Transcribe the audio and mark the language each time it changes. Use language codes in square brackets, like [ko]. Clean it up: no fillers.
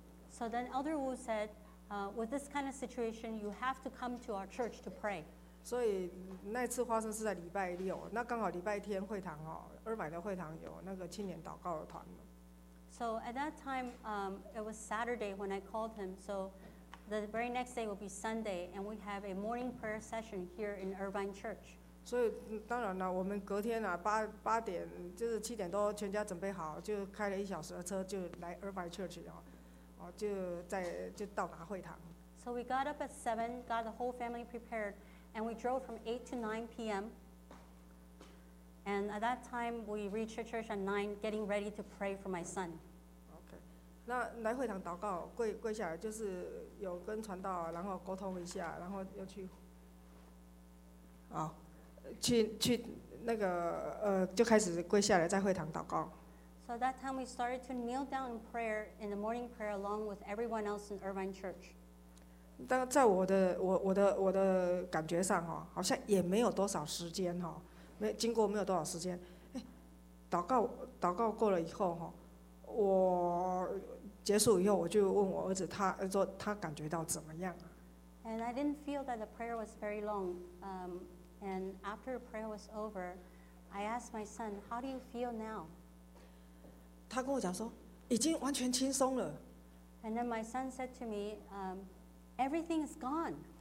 [en] So then Elder Wu said, "With this kind of situation, you have to come to our church to pray." [zh] 所以那次发生是在礼拜六，那刚好礼拜天会堂哦，二百的会堂有那个青年祷告的团。 [en] So at that time, it was Saturday when I called him. So the very next day will be Sunday, and we have a morning prayer session here in Irvine Church. [zh] 所以当然了，我们隔天啊，八点就是七点多，全家准备好，就开了一小时的车就来 Irvine Church 哦，就到达会堂。 [en] So we got up at 7, got the whole family prepared, and we drove from 8 to 9 p.m. And at that time, we reached the church at 9, getting ready to pray for my son. Okay. [zh] 那来会堂祷告，跪下来，就是有跟传道，然后沟通一下，然后又去，去那个就开始跪下来在会堂祷告。 [en] So at that time, we started to kneel down in prayer in the morning prayer along with everyone else in Irvine Church. [zh] 但在我的感觉上哦，好像也没有多少时间哦。经过没有多少时间，祷告过了以后，我结束以后，我就问我儿子，他说他感觉到怎么样。 [en] And I didn't feel that the prayer was very long. And after prayer was over, I asked my son, "How do you feel now?" [zh] 他跟我讲说，已经完全轻松了。 [en] And then my son said to me, "Everything is gone."